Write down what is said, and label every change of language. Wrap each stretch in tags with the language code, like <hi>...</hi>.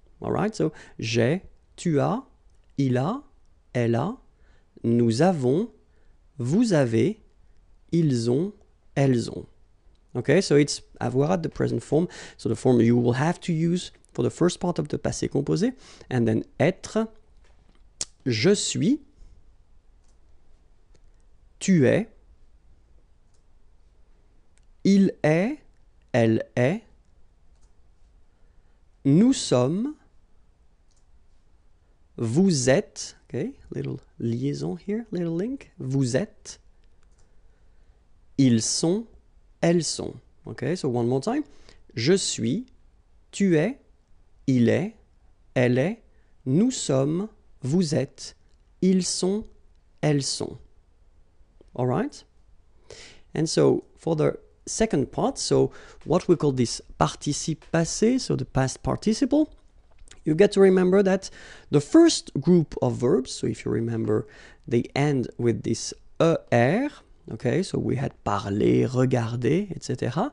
<en>Alright, so</en> <fr>j'ai, tu as, il a, elle a, nous avons, vous avez, ils ont, elles ont.</fr> <en>Okay, so it's avoir at the present form. So the form you will have to use for the first part of the passé composé, and then être,</en> <fr>je suis, tu es, il est, elle est, nous sommes, Vous êtes,</fr> <en>okay, little liaison here, little link.</en> <fr>Vous êtes, ils sont, elles sont.</fr> <en>Okay, so one more time.</en> <fr>Je suis, tu es, il est, elle est, nous sommes, vous êtes, ils sont, elles sont.</fr> <en>All right? And so, for the second part, so what we call this participe passé, so the past participle, you get to remember that the first group of verbs, so if you remember, they end with this er, okay, so we had parler, regarder, etc.</en>